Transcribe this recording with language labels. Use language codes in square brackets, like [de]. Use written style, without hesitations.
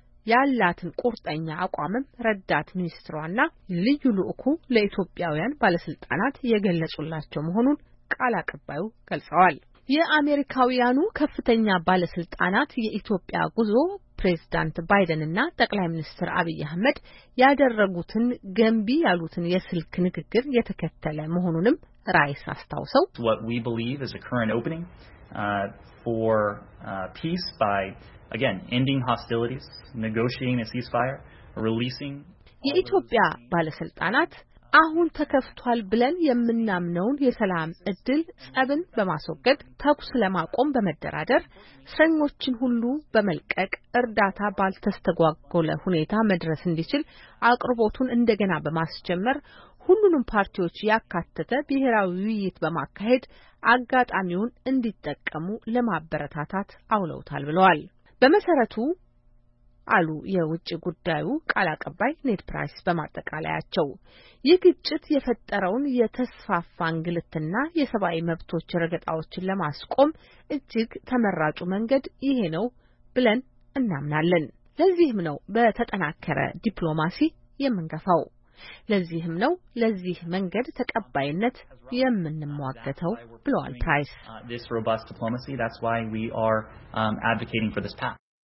[am] ያላትን ቁርጠኛ አቋምም ረዳት ሚኒስትሯና ልዩ ልዑኩ ለኢትዮጵያውያን ባለስልጣናት የገለጹላቸው መሆኑን ቃል አቀባዩ ገልጸዋል። የአሜሪካውያኑ ከፍተኛ ባለስልጣናት የኢትዮጵያ ጉዞ ፕሬዝዳንት ባይደንና ጠቅላይ ሚኒስትር አብይ አህመድ ያደረጉትን ገንቢ ያሉትን የስልክ ንግግር የተከተለ መሆኑንም ራይስ አስታውሰው [en] What we believe is a current opening for peace by again ending hostilities negotiating a ceasefire releasing [am] የኢትዮጵያ ባለስልጣናት አሁን ተከፍቷል ብለን የምናምነውን የሰላም እድል ጸብን በማስወገድ ተኩስ ለማቆም በመደራደር ሰኞችን ሁሉ በመልቀቅ እርዳታ ባልተስተጓጎለ ሁኔታ መድረስ እንዲችል አቅርቦቱን እንደገና በማስጀመር ሁሉንም ፓርቲዎች ያካተተ ብሔራዊ ውይይት በማካሄድ አጋጣሚውን እንዲጠቀሙ ለማበረታታት አውለውታል ብለዋል። በመሰረቱ አሉ የውጭ ጉዳዩ ቃል አቀባይ ኔድ ፕራይስ በማጠቃለያቸው የግጭት የፈጠረውን የተስፋፋ እንግልትና የሰብአዊ መብቶች ረገጣዎችን ለማስቆም እጅግ ተመራጩ መንገድ ይሄ ነው ብለን እናምናለን። ለዚህም ነው በተጠናከረ ዲፕሎማሲ የምንገፋው። ለዚህም ነው ለዚህ መንገድ ተቀባይነት የምንሟገተው ብለዋል ፕራይስ። [en] This robust diplomacy, that's why we are advocating for this path.